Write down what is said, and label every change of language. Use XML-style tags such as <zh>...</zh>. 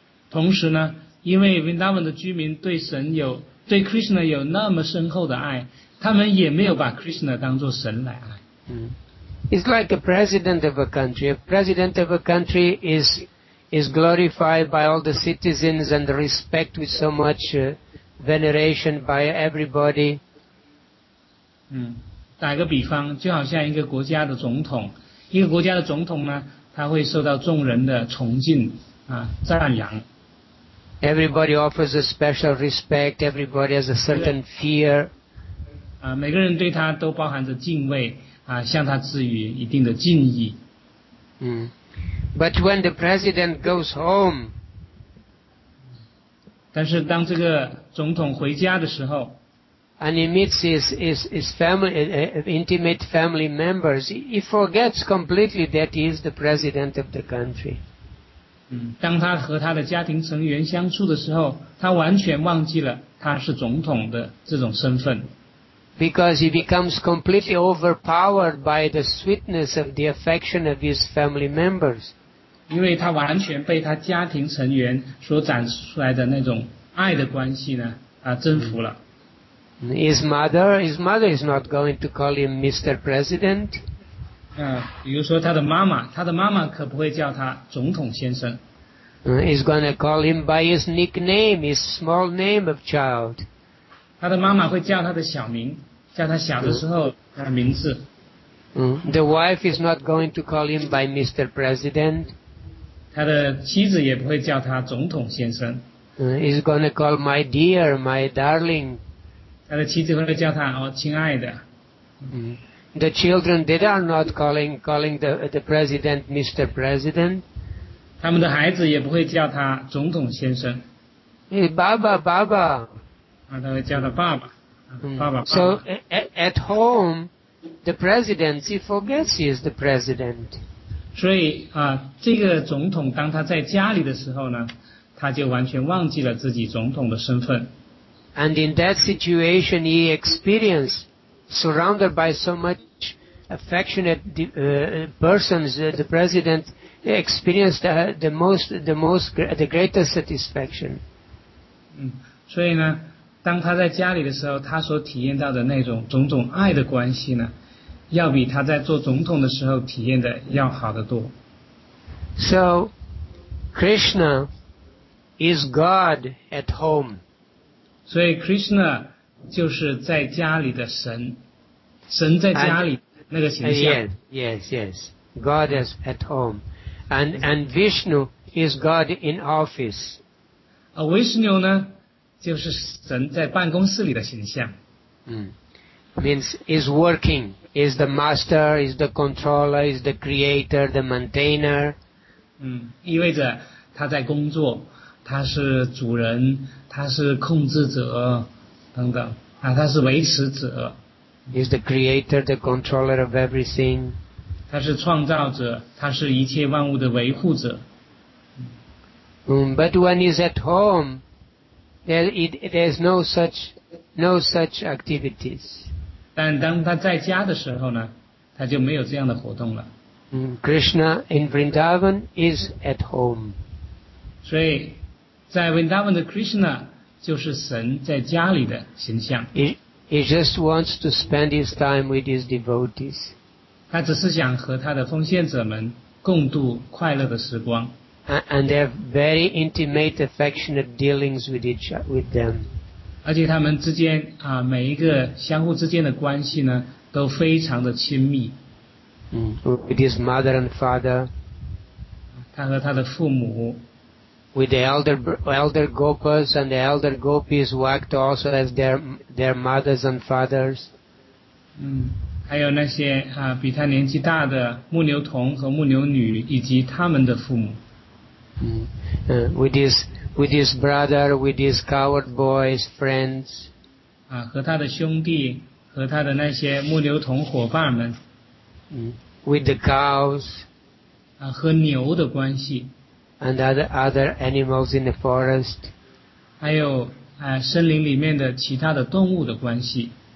<zh>同时呢，因为 Vrindavan 的居民对神有对 Krishna 有那么深厚的爱，他们也没有把 Krishna 当作神来爱。</zh> <en>It's like a president of a country. A president of a country is glorified by all the citizens and respect with so much veneration by everybody.</en> <zh>打个比方，就好像一个国家的总统，一个国家的总统呢，他会受到众人的崇敬啊，赞扬。</zh> <en>Everybody offers a special respect. Everybody has a certain fear.</en> <zh>啊，每个人对他都包含着敬畏啊，向他致以一定的敬意。</zh> <en>But when the president goes home,</en> <zh>但是当这个总统回家的时候</zh> <en>，and he meets his family, intimate family members, he forgets completely that he is the president of the country.</en> <zh>当他和他的家庭成员相处的时候，他完全忘记了他是总统的这种身份。</zh> <en>Because he becomes completely overpowered by the sweetness of the affection of his family members.</en> <zh>因为他完全被他家庭成员所展示出来的那种爱的关系呢，啊，征服了。</zh> <en>His mother is not going to call him Mr. President.</en> <zh>比如说他的妈妈可不会叫他总统先生。</zh> <en>He's going to call him by his nickname, his small name of child.</en> <zh>他的妈妈会叫他的小名，叫他小的时候他的名字。</zh> <en>The wife is not going to call him by Mr. President.</en> <zh>他的妻子也不会叫他总统先生。</zh> <en>He's going to call my dear, my darling.</en> <zh>他的妻子会叫他哦，亲爱的。</zh> <en>The children, they are not calling the president Mr. President.</en> <zh>他们的孩子也不会叫他总统先生。</zh> <en>Hey, Baba, Baba.</en> <zh>他会叫他爸爸，爸爸。</zh> <en>So at home, the president he forgets he is the president.</en> <zh>所以啊，这个总统当他在家里的时候呢，他就完全忘记了自己总统的身份。</zh> <en>And in that situation, he experienced surrounded by so much affectionate persons, the president experienced the greatest satisfaction.</en> <zh>所以呢。当他在家里的时候，他所体验到的那种种种爱的关系呢，要比他在做总统的时候体验的要好得多。</zh> <en>So, Krishna is God at home.</en> <zh>所以 Krishna 就是在家里的神，神在家里那个形象。</zh> <en>Yes. God is at home, and Vishnu is God in office.</en> <zh>Vishnu 呢？就是神在办公室里的形象。</zh> <en>Means is working, is the master, is the controller, is the creator, the maintainer.</en> <zh>意味着他在工作，他是主人，他是控制者等等啊，他是维持者。</zh> <en>Is the creator, the controller of everything.</en> <zh>他是创造者，他是一切万物的维护者。</zh> <en>But when he's at home. There's no such activities.</en> <zh>但当他在家的时候呢，他就没有这样的活动了。</zh> <en>Krishna in Vrindavan is at home.</en> <zh>所以，在 Vrindavan 的 Krishna 就是神在家里的形象。</zh> <en>He just wants to spend his time with his devotees.</en> <zh>他只是想和他的奉献者们共度快乐的时光。</zh> <en>And they have very intimate, affectionate dealings with them.</en> <zh>而且他们之间啊，每一个相互之间的关系呢，都非常的亲密。</zh> <en>With his mother and father.</en> <zh>他和他的父母。</zh> <en>With the elder gopas and the elder gopis, who act also as their mothers and fathers.</en> <zh>还有那些啊，比他年纪大的牧牛童和牧牛女，以及他们的父母。</zh> <en>With his brother, with his coward boys, friends.</en> <zh>和他的兄弟，和他的那些牧牛童伙伴们。</zh> <en>With the cows.</en> <zh>和牛的关系。</zh> <en>And other animals in the forest.</en> <zh>还有森林里面的其他的动物的关系。</zh>